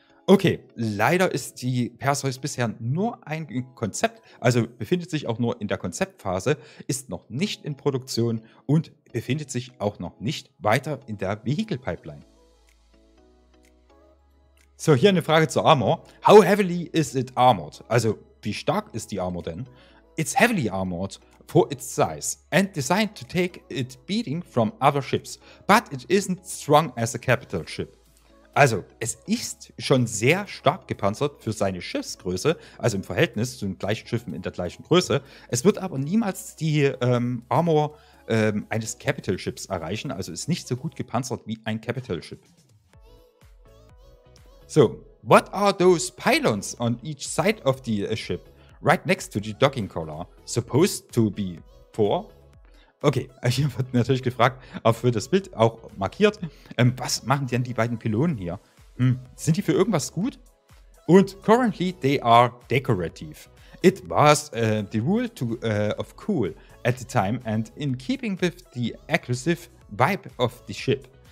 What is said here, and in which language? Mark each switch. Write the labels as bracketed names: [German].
[German] Okay, leider ist die Perseus bisher nur ein Konzept, also befindet sich auch nur in der Konzeptphase, ist noch nicht in Produktion und befindet sich auch noch nicht weiter in der Vehicle-Pipeline. So, hier eine Frage zur Armor. [English] How heavily is it armored? [German] Also, wie stark ist die Armor denn? [English] It's heavily armored for its size and designed to take it beating from other ships, but it isn't strong as a capital ship. [German] Also, es ist schon sehr stark gepanzert für seine Schiffsgröße, also im Verhältnis zu den gleichen Schiffen in der gleichen Größe. Es wird aber niemals die Armor eines Capital Ships erreichen, also ist nicht so gut gepanzert wie ein Capital Ship. [English] So, what are those pylons on each side of the ship, right next to the docking collar, supposed to be for? [German] Okay, hier wird natürlich gefragt, auch für das Bild auch markiert, was machen denn die beiden Pylonen hier? Sind die für irgendwas gut? Und [English] currently they are decorative. It was the rule to, of cool at the time and in keeping with the aggressive vibe of the ship.